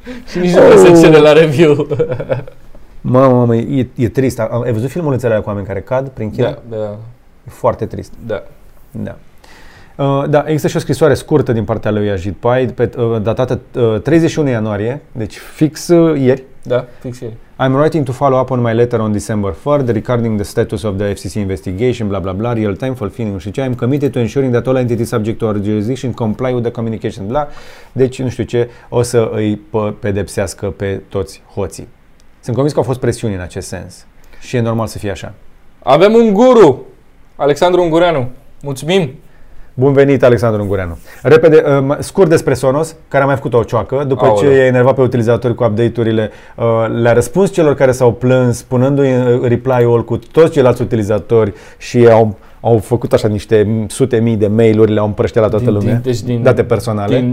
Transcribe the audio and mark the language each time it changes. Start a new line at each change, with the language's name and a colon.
Romanian: Și nici nu se cere la review. Mamă, e trist. Ai văzut filmulețele cu oameni care cad prin China? Da, da. E foarte trist. Da. Da. Da, există și o scrisoare scurtă din partea lui Ajit Pai, datată 31 ianuarie, deci fix ieri. Da, fix ieri.
English: I'm writing to follow up on my letter on December 3rd regarding the status of the FCC investigation, blah, blah, blah, real time fulfilling,
Romanian: nu știu ce.
English: I'm committed to ensuring that all entities subject to our jurisdiction comply with the communication, blah.
Romanian: Deci, nu știu ce, o să îi pedepsească pe toți hoții. Sunt convins că au fost presiuni în acest sens și e normal să fie așa. Avem un guru, Alexandru Ungureanu. Mulțumim! Bun venit, Alexandru Ungureanu. Repede, scurt despre Sonos, care a mai făcut o cioacă, după ce i-a enervat pe utilizatori cu update-urile, le-a răspuns celor care s-au plâns, punându-i reply all cu toți ceilalți utilizatori și au făcut așa niște sute mii de mail-uri, le-au împrăștiat la toată lumea, date personale.